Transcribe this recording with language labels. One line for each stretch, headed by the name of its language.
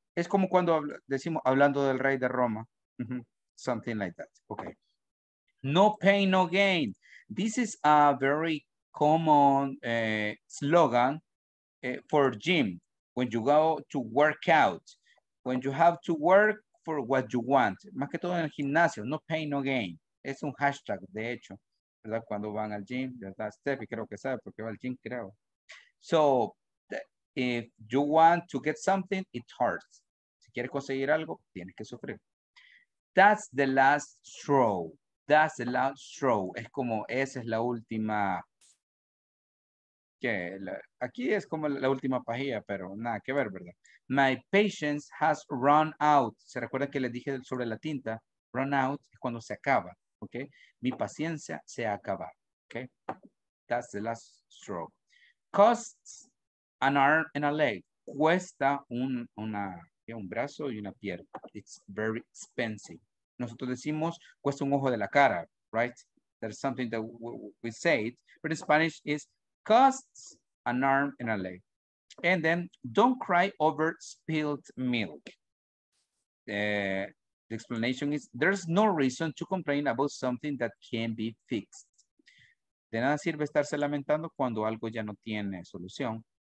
Spanish: Es como cuando decimos hablando del rey de Roma.
English: Something like that. Okay. No pain, no gain. This is a very common slogan for gym. When you go to work out. When you have to work for what you want.
Spanish: Más que todo en el gimnasio.
English: No pain, no gain.
Spanish: Es un hashtag, de hecho. ¿Verdad? Cuando van al gym, ¿verdad? Steffi creo que sabe porque va al gym, creo.
English: So, if you want to get something, it hurts.
Spanish: Si quieres conseguir algo, tienes que sufrir.
English: That's the last straw. That's the last straw.
Spanish: Es como, esa es la última. Aquí es como la última pajilla, pero nada que ver, ¿verdad?
English: My patience has run out.
Spanish: ¿Se recuerdan que les dije sobre la tinta?
English: Run out
Spanish: es cuando se acaba.
English: Okay.
Spanish: Mi paciencia se acaba.
English: Okay. That's the last stroke. Costs an arm and a leg.
Spanish: Cuesta un brazo y una pierna.
English: It's very expensive.
Spanish: Nosotros decimos, cuesta un ojo de la cara, right?
English: There's something that we say it, but in Spanish is costs an arm and a leg. And then, don't cry over spilled milk. The explanation is, there's no reason to complain about something that can be fixed.
Spanish: De nada sirve estarse lamentando cuando algo ya no tiene solución.